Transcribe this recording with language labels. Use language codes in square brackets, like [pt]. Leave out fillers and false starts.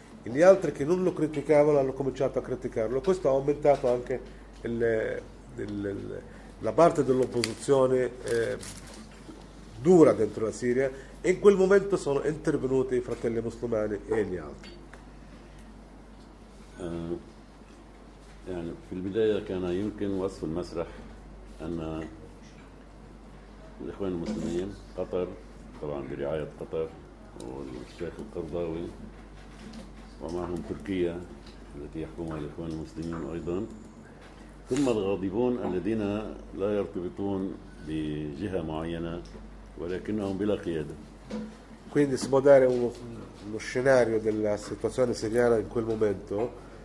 [it] E gli altri che non lo criticavano hanno cominciato a criticarlo. Questo ha aumentato anche la parte dell'opposizione dura dentro la Siria, e in quel momento sono intervenuti i fratelli musulmani e gli altri. [ar] يعني في البداية كان يمكن وصف المسرح أن الإخوان المسلمين قطر طبعا برعاية قطر والشيخ القرضاوي ومعهم تركيا التي يحكمها الإخوان المسلمين أيضا ثم الغاضبون الذين لا يرتبطون بجهة معينة ولكنهم بلا قيادة. [it] Quindi si può dare uno scenario della situazione siriana in quel momento.